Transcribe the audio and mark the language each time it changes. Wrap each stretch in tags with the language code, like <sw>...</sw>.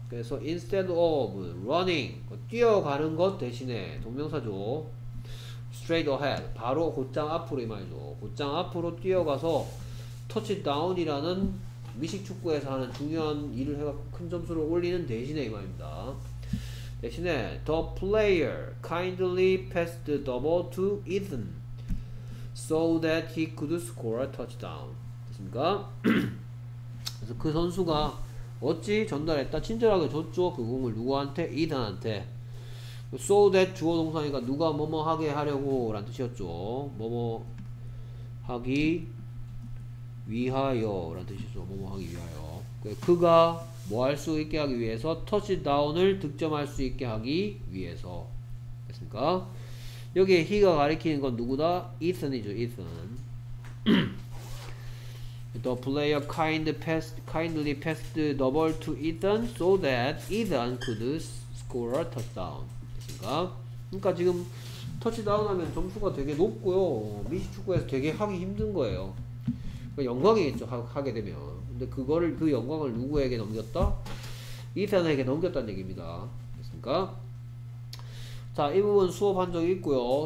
<ko>그래서</ko> <en>instead of running</en> <ko>뛰어가는 것 대신에 동명사죠. straight ahead 바로 곧장 앞으로 이 말이죠. 곧장 앞으로 뛰어가서 터치다운이라는 미식축구에서 하는 중요한 일을 해갖고 큰 점수를 올리는 대신에 이 말입니다. 대신에</ko> <en>the player kindly passed the ball to Ethan so that he could score a touchdown</en> <ko>됐습니까? 그래서 그 선수가 어찌 전달했다 친절하게 줬죠 그 공을 누구한테? Ethan한테 so that 주어 동사니까 누가 뭐뭐 하게 하려고 라는 뜻이었죠 뭐뭐 하기 위하여 라는 뜻이었죠 뭐뭐 하기 위하여 그가 뭐 할 수 있게 하기 위해서 터치다운을 득점할 수 있게 하기 위해서 됐습니까? 여기에 he가 가리키는 건 누구다? Ethan이죠</ko> <en>Ethan The player kindly passed the ball to Ethan so that Ethan could score a touchdown</en> <ko>됐습니까? 그러니까 지금 터치다운 하면 점수가 되게 높고요 미식축구에서 되게 하기 힘든 거예요 그러니까 영광이겠죠 하게 되면 근데 그거를 그 영광을 누구에게 넘겼다? 이산에게 넘겼다는 얘기입니다. 됐습니까? 자, 이 부분 수업한 적이 있고요.</ko>